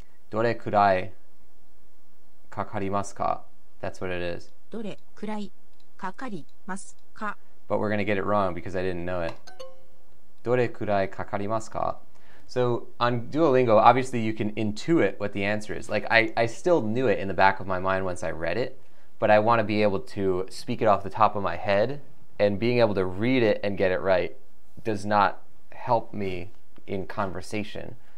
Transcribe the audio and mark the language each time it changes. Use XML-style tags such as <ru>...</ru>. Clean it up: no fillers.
<ja>どれくらいかかりますか?</ja> <en>That's what it is.</en> <ja>どれくらいかかりますか?</ja> <en>But we're going to get it wrong because I didn't know it.</en> <ja>どれくらいかかりますか?</ja> <en>So on Duolingo, obviously you can intuit what the answer is. Like I still knew it in the back of my mind once I read it, but I want to be able to speak it off the top of my head, and being able to read it and get it right does not help me in conversation.</en>